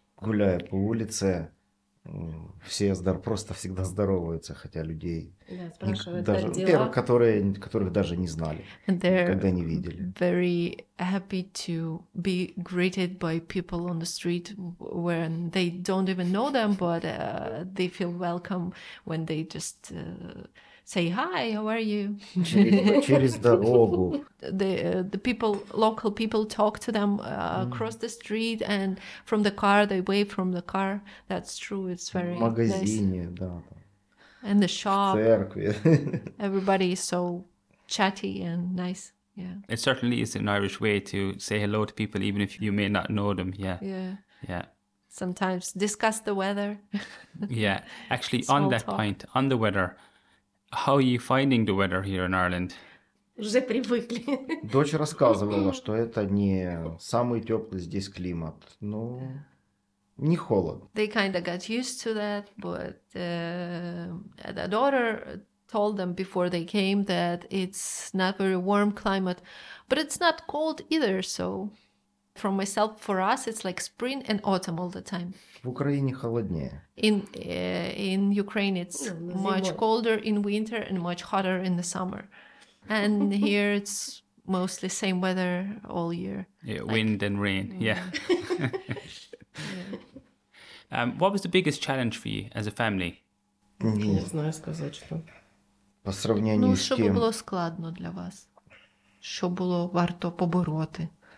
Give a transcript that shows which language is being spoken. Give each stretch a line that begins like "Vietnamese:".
Russian: Гуляя по улице, все просто всегда здороваются, хотя людей, которых даже не знали, никогда не видели.
English: Very happy to be greeted by people on the street when they don't even know them, but they feel welcome when they just say hi, how are you?
Russian: Через дорогу.
English: The people, local people talk to them across the street and from the car, they wave from the car. That's true, it's very nice.
Russian: В магазине, да.
English: And the shop.
Russian: В церкви.
English: Everybody is so chatty and nice, yeah. It certainly is an Irish way to say hello to people, even if you may not know them, yeah. Yeah. Yeah. Sometimes discuss the weather. Yeah, actually on that point, on the weather, how are you finding the weather here in Ireland?
Russian: Уже привыкли. Дочь рассказывала, что это не самый теплый здесь климат, но не холод.
English: They kind of got used to that, but the daughter told them before they came that it's not very warm climate, but it's not cold either. So, from myself, for us, it's like spring and autumn all the time.
Russian: В Украине холоднее.
English: In Ukraine, it's much colder in winter and much hotter in the summer. And here, it's mostly same weather all year. Yeah, like, wind and rain, yeah. Yeah. What was the biggest challenge for you as a family?
Russian: Не знаю сказать, что. По сравнению с тем... Ну, что было складно для вас? Что было
Ukrainian: варто побороти?